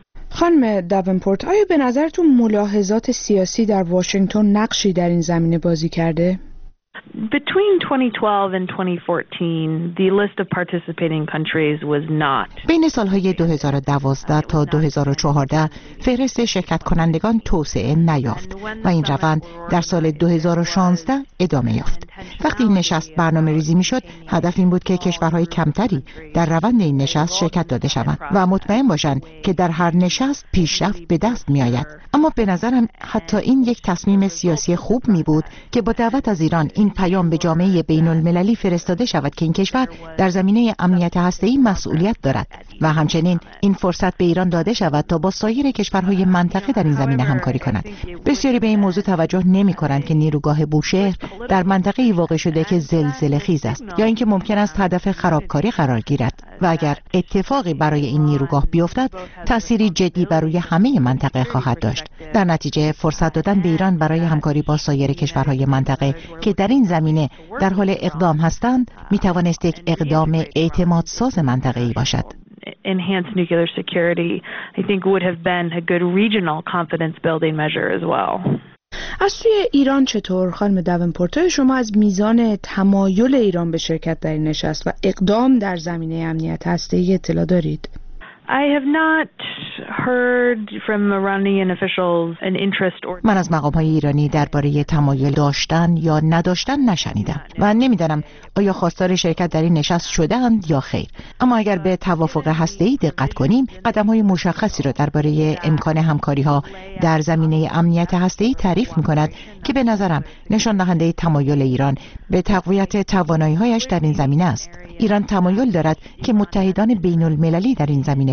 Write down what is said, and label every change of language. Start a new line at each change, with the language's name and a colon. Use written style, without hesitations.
Persian: خانم داونپورت، آیا به نظرتون ملاحظات سیاسی در واشنگتن نقشی در این زمینه بازی کرده؟
English: Between 2012 and 2014, the list of participating countries was not.
Persian: بین سال‌های 2012 تا 2014 فهرست شرکت کنندگان توسعه نیافت و این روند در سال 2016 ادامه یافت. وقتی این نشست برنامه ریزی می شد، هدف این بود که کشورهای کمتری در روند این نشست شرکت داده شوند و مطمئن باشند که در هر نشست پیشرفت به دست می آید. اما به نظرم حتی این یک تصمیم سیاسی خوب می بود که با دعوت از ایران این پیام به جامعه بین المللی فرستاده شود که این کشور در زمینه امنیت هسته‌ای مسئولیت دارد و همچنین این فرصت به ایران داده شود تا با سایر کشورهای منطقه در این زمینه همکاری کند. بسیاری به این موضوع توجه نمی کنند که نیروگاه بوشهر در منطقه ای واقع شده که زلزله خیز است یا اینکه ممکن است هدف خرابکاری قرار گیرد و اگر اتفاقی برای این نیروگاه بیفتد تأثیری جدی بر روی همه منطقه خواهد داشت. در نتیجه فرصت دادن به ایران برای همکاری با سایر کشورهای منطقه که در این زمینه در حال اقدام هستند می توانست یک اقدام اعتماد ساز منطقه‌ای باشد.
English: Enhanced nuclear security, I think, would have been a good regional confidence building measure as well.
Persian: از سوی ایران چطور خانم داونپورت؟ شما از میزان تمایل ایران به شرکت در این نشست و اقدام در زمینه امنیت هسته‌ای اطلاع دارید؟
English: I have not heard from Iranian officials an interest or.
Persian: من از مقام های ایرانی درباره تمایل داشتن یا نداشتن نشنیدم و نمیدانم آیا خواستار شرکت در این نشست شدند یا خیر. اما اگر به توافق هسته‌ای دقت کنیم، قدم های مشخصی را درباره امکان همکاری ها در زمینه امنیت هسته‌ای تعریف می کند که به نظرم نشان دهنده تمایل ایران به تقویت توانایی هایش در این زمینه است. ایران تمایل دارد که متحدان بین المللی در این زمینه